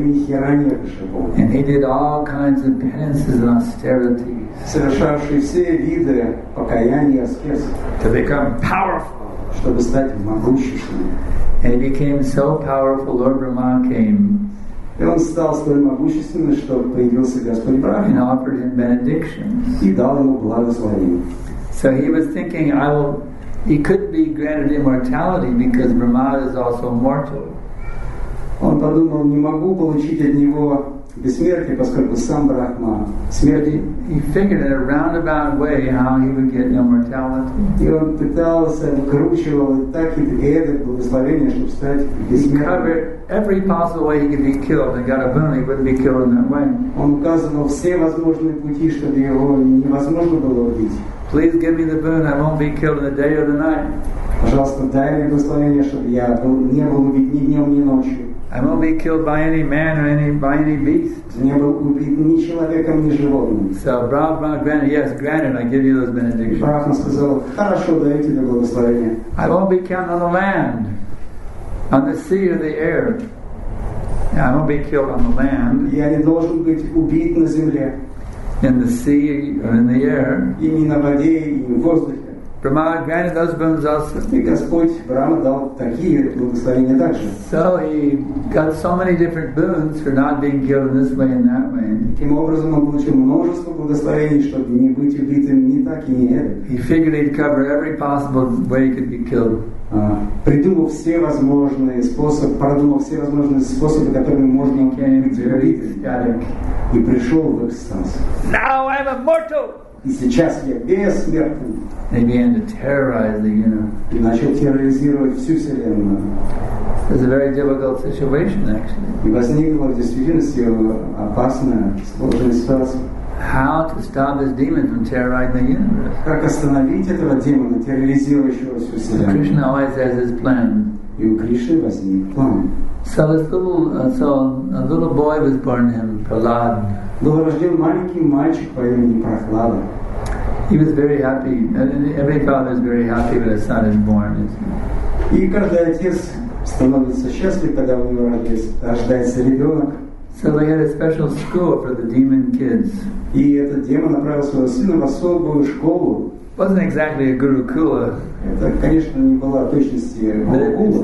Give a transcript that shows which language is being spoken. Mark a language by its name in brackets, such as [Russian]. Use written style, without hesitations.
[English] And he did all kinds of penances and austerities to become powerful. And he became so powerful, Lord Brahma came. [Russian] И он стал столь могущественным, что появился Господь Брахма. [English] And offered him benedictions. [Russian] И дал ему благословение. [English] So he was thinking, he could be granted immortality because Brahma is also mortal. [Russian] Он подумал, не могу получить от него бессмертие, поскольку сам Брахма смерти. [English] He figured in a roundabout way how he would get immortality. [Russian] И он пытался, выкручивал так и эдак благословение, чтобы стать бессмертным. [English] Every possible way he could be killed, and Garabuni wouldn't be killed in that way. [Russian] Он указывал все возможные пути, чтобы его невозможно было убить. [English] Please give me the boon, I won't be killed in the day or the night. [Russian] Пожалуйста, дай мне благословение, чтобы я не был убит ни днем, ни ночью. [English] I won't be killed by any man or by any beast. [Russian] Не был убит ни человеком, ни животным. [English] So Brahma granted, yes, granted, I give you those benedictions. [Russian] Брахма сказал, хорошо, даю тебе благословение. [English] I won't be killed on the land. On the sea or the air. Now, I won't be killed on the land. [Russian] Я не должен быть убит на земле. [English] In the sea or in the air. [Russian] И не на воде, и в воздухе. [English] Brahma granted those boons also. [Russian] И Господь Брахма дал такие благословения также. [English] So he got so many different boons for not being killed this way and that way. [Russian] Таким образом он получил множество благословений, чтобы не быть убитым ни так и ни эдак. [English] He figured he'd cover every possible way he could be killed. [Russian] Продумал все возможные способы, которыми можно быть убитым, и пришел в экстаз. [English] Now I'm immortal. [Russian] И сейчас я бессмертен. [English] They began to terrorize the, [Russian] И начал терроризировать всю вселенную. [English] It's a very difficult situation, actually. [Russian] И возникла в действительности опасная сложная ситуация. [English] How to stop this demon from terrorizing the universe? [Russian] Как остановить этого демона, терроризирующего всю вселенную? [English] Krishna always has his plan. [Russian] И у Кришны возник план. [English] So this little boy was born to him, Prahlad. [Russian] Был рожден маленький мальчик по имени Прохлада. [English] He was very happy. Every father is very happy when a son is born, isn't he? [Russian] И каждый отец становится счастлив, когда у него рождается ребенок. [English] So they had a special school for the demon kids. [Russian] И этот демон направил своего сына в особую школу. [English] Wasn't exactly a gurukula. [Russian] Это, конечно, не была точности гурукула.